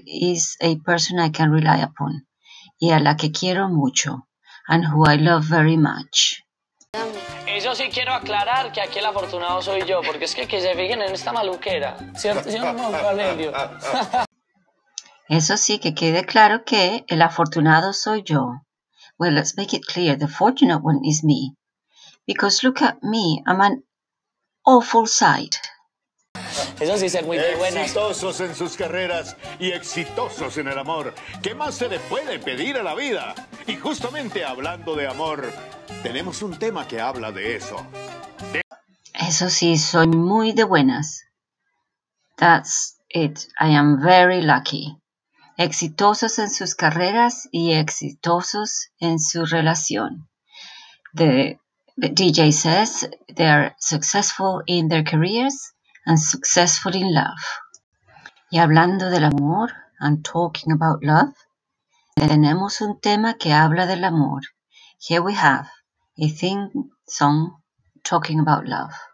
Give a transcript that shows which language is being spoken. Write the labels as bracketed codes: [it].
[en] Is a person I can rely upon. [es] Y a la que quiero mucho. [en] And who I love very much. [es] Eso sí quiero aclarar que aquí el afortunado soy yo, porque es que se fijen en esta maluquera, ¿cierto? Yo no me alegro. Eso sí, que quede claro que el afortunado soy yo. [en] Well, let's make it clear, the fortunate one is me. Because look at me, I'm an awful sight. [es] Eso sí, ser muy buena. Exitosos en sus carreras y exitosos en el amor. ¿Qué más se le puede pedir a la vida? Y justamente hablando de amor, tenemos un tema que habla de eso. Eso sí, soy muy de buenas. [en] That's it. I am very lucky. [es] Exitosos en sus carreras y exitosos en su relación. [en] The DJ says they are successful in their careers and successful in love. [es] Y hablando del amor, [en] and talking about love, [es] tenemos un tema que habla del amor. [en] Here we have a theme song talking about love.